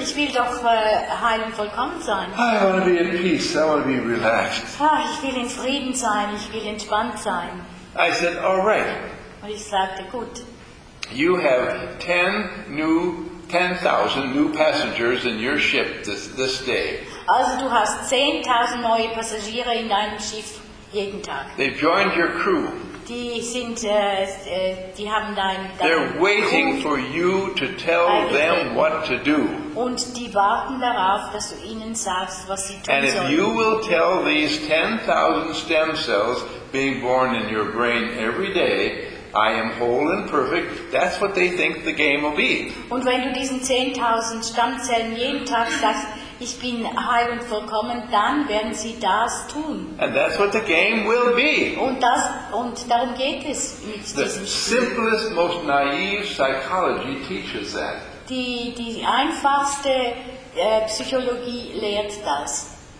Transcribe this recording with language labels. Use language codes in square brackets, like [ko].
[de] Ich will doch heil und vollkommen sein. [en] I want to be in peace. I want to be relaxed. [de] Ah, ich will in Frieden sein. Ich will entspannt sein. [en] I said, all right. [de] Und ich sagte, gut. [en] You have 10,000 new passengers in your ship this day. [de] Also, du hast 10,000 neue Passagiere in deinem Schiff jeden Tag. [en] They've joined your crew. [de] Die sind, die haben dein [en] They're waiting Kuchen. For you to tell them what to do. [de] Und die warten darauf, dass du ihnen sagst, was sie tun [en] And [de] sollen. [en] And if you will tell these 10,000 stem cells being born in your brain every day, I am whole and perfect, that's what they think the game will be. [de] Und wenn du diesen 10,000 Stammzellen jeden Tag sagst, ich bin heil und vollkommen, dann werden sie das tun. [en] And that's what the game will be. [de] Und darum geht es. [en] The simplest, most naive psychology teaches that. [de] Die einfachste Psychologie lehrt das.